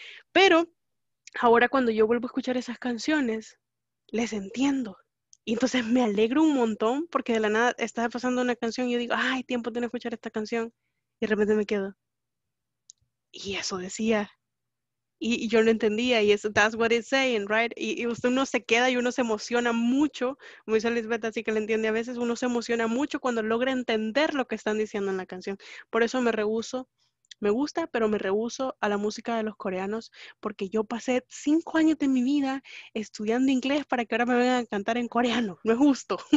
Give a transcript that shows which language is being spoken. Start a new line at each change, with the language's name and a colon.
Spanish: Pero ahora cuando yo vuelvo a escuchar esas canciones, les entiendo. Y entonces me alegro un montón, porque de la nada estaba pasando una canción y yo digo, ¡ay, tiempo tengo que escuchar esta canción! Y de repente me quedo, y eso decía... Y yo no entendía, y eso,
English: that's what it's saying, right?
Spanish: Y usted, uno se queda y uno se emociona mucho, como dice Lisbeth, así que le entiende, a veces uno se emociona mucho cuando logra entender lo que están diciendo en la canción. Por eso me rehúso, me gusta, pero me rehúso a la música de los coreanos, porque yo pasé 5 años de mi vida estudiando inglés para que ahora me vengan a cantar en coreano. No es justo.